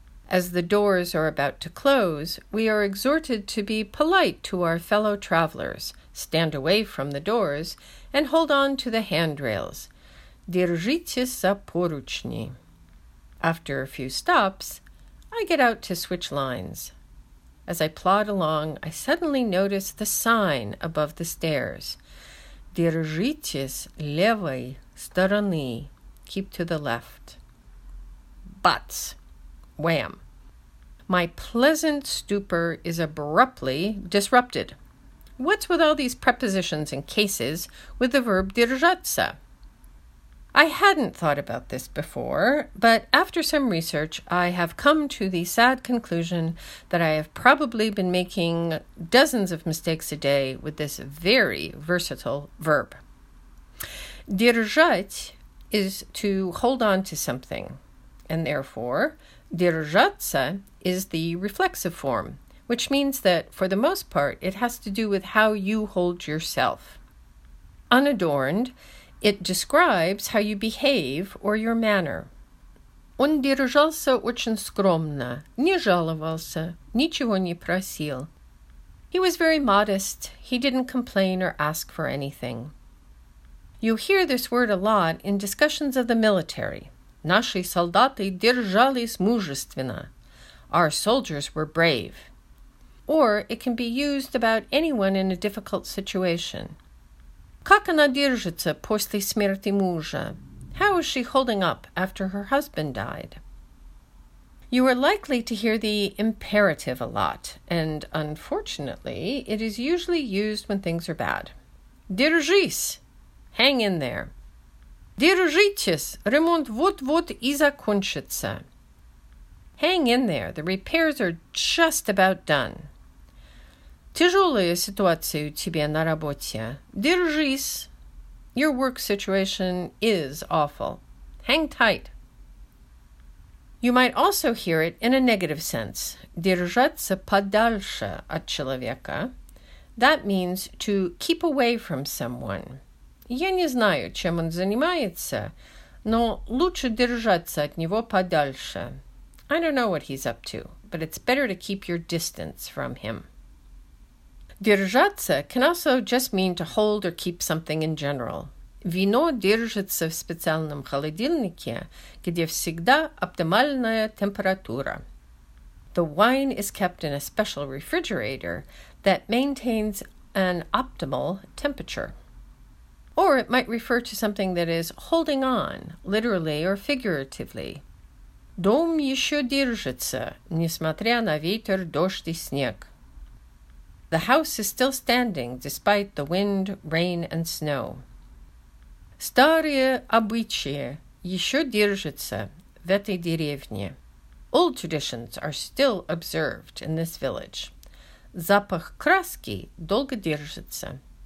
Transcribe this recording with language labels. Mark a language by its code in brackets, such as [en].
[en] As the doors are about to close, we are exhorted to be polite to our fellow travelers, stand away from the doors, and hold on to the handrails. [ru] Держитесь за поручни. [en] After a few stops, I get out to switch lines. As I plod along, I suddenly notice the sign above the stairs. [ru] Держитесь левой стороны. [en] Keep to the left. Butts. Wham. My pleasant stupor is abruptly disrupted. What's with all these prepositions and cases with the verb держаться? I hadn't thought about this before, but after some research, I have come to the sad conclusion that I have probably been making dozens of mistakes a day with this very versatile verb. Держать is to hold on to something, and therefore, держаться is the reflexive form, which means that, for the most part, it has to do with how you hold yourself. Unadorned, it describes how you behave or your manner. [ru] Он держался очень скромно, не жаловался, ничего не просил. [en] He was very modest. He didn't complain or ask for anything. You hear this word a lot in discussions of the military. [ru] Наши солдаты держались мужественно. [en] Our soldiers were brave. Or it can be used about anyone in a difficult situation. [ru] Как она держится после смерти мужа? [en] How is she holding up after her husband died? You are likely to hear the imperative a lot, and unfortunately, it is usually used when things are bad. [ru] Держись! [en] Hang in there. [ru] Держитесь! Ремонт вот-вот и закончится. [en] Hang in there. The repairs are just about done. [ru] Тяжелая ситуация у тебя на работе. Держись. [en] Your work situation is awful. Hang tight. You might also hear it in a negative sense. [ru] Держаться подальше от человека. [en] That means to keep away from someone. [ru] Я не знаю, чем он занимается, но лучше держаться от него подальше. [en] I don't know what he's up to, but it's better to keep your distance from him. Держаться can also just mean to hold or keep something in general. [ru] Вино держится в специальном холодильнике, где всегда оптимальная температура. [en] The wine is kept in a special refrigerator that maintains an optimal temperature. Or it might refer to something that is holding on, literally or figuratively. [ru] Дом еще держится, несмотря на ветер, дождь и снег. [en] The house is still standing despite the wind, rain, and snow. [ru] Старые обычаи еще держатся в этой деревне. [en] Old traditions are still observed in this village. [ru] Запах краски долго держится.